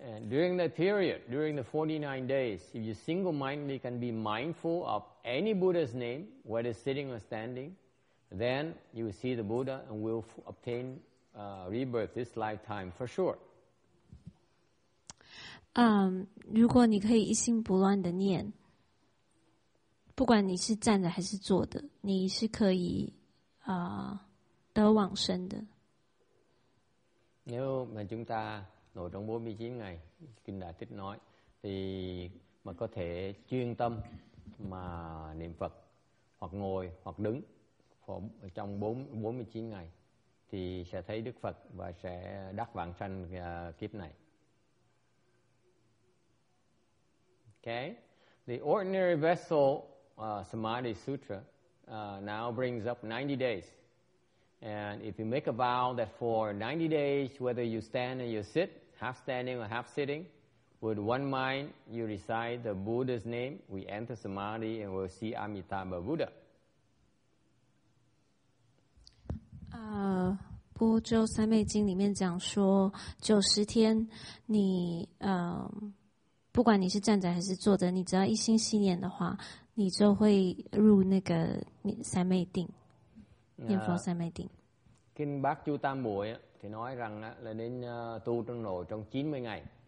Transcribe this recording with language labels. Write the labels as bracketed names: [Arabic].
[English] During the period, during the 49 days, if you single-mindedly can be mindful of any Buddha's name, whether sitting or standing, then you will see the Buddha and will obtain rebirth this lifetime for sure. [Chinese] 如果你可以一心不乱的念，不管你是站着还是坐的，你是可以得往生的。 [Vietnamese] Nếu mà chúng ta ngồi trong 49 ngày, Kinh Đại Tích nói, thì mà có thể chuyên tâm mà niệm Phật hoặc ngồi hoặc đứng trong 49 ngày, thì sẽ thấy Đức Phật và sẽ đắc vãng sanh kiếp này. [English] Okay, the ordinary vessel Samadhi Sutra now brings up 90 days. And if you make a vow that for 90 days, whether you stand or you sit, half standing or half sitting, with one mind, you recite the Buddha's name, we enter Samadhi and we'll see Amitabha Buddha. [Chinese] 波州三昧经里面讲说90天你不管你是站着还是坐着，你只要一心细念的话，你就会入那个三昧定，念佛三昧定。 [Vietnamese] Kinh Bát Chu Tam Muội thì nói rằng là nên tu trong nội trong 90 ngày.